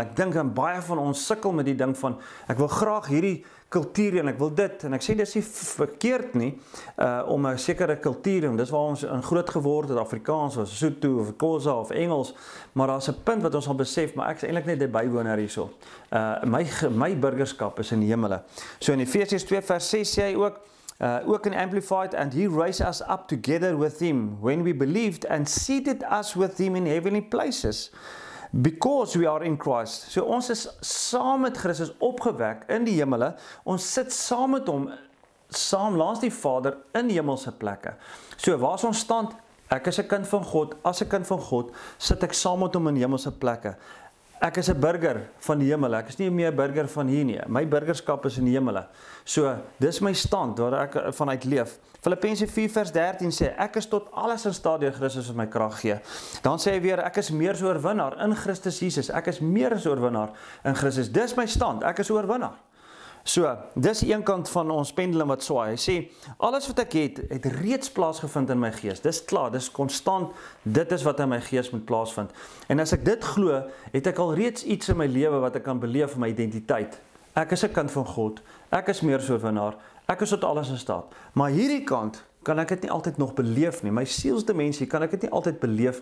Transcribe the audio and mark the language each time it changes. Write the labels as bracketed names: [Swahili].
[Afrikaans] Ek dink en baie van ons sukkel met die ding van, ek wil graag hierdie kultuur en ek wil dit. En ek sê, dis nie verkeerd nie, om 'n sekere kultuur, en dis waar ons in groot geword het, Afrikaans, of Soto, of Kosa, of Engels, maar daar is 'n punt wat ons al besef, maar ek is eintlik net die bywoner hierso. My burgerskap is in die hemel. So in Efesiërs 2 vers 6 sê hy ook, ook in Amplified, [English] and he raised us up together with him when we believed and seated us with him in heavenly places because we are in Christ. [Afrikaans] So ons is saam met Christus opgewek in die hemele, ons sit saam met hom, saam langs die Vader in die hemelse plekke. So waar is ons stand? Ek is 'n kind van God, as 'n kind van God sit ek saam met hom in die hemelse plekke. Ek is 'n burger van die hemel, ek is nie meer 'n burger van hier nie, my burgerskap is in die hemel. So, dis my stand waar ek vanuit leef. Filippense 4 vers 13 sê, ek is tot alles in staat deur Christus wat my krag gee. Dan sê hy weer, ek is meer as oorwinnaar in Christus Jesus, ek is meer as oorwinnaar in Christus. Dis my stand, ek is oorwinnaar. So, dis een kant van ons pendulum wat swaai. Hy sê, alles wat ek het, het reeds plaasgevind in my gees. Dis klaar, dis constant, dit is wat in my gees moet plaasvind. En as ek dit glo, het ek al reeds iets in my leven wat ek kan beleef in my identiteit. Ek is een kind van God, ek is meer so van haar, ek is tot alles in staat. Maar hierdie kant kan ek het nie altyd nog beleef nie. My sielsdimensie kan ek het nie altyd beleef.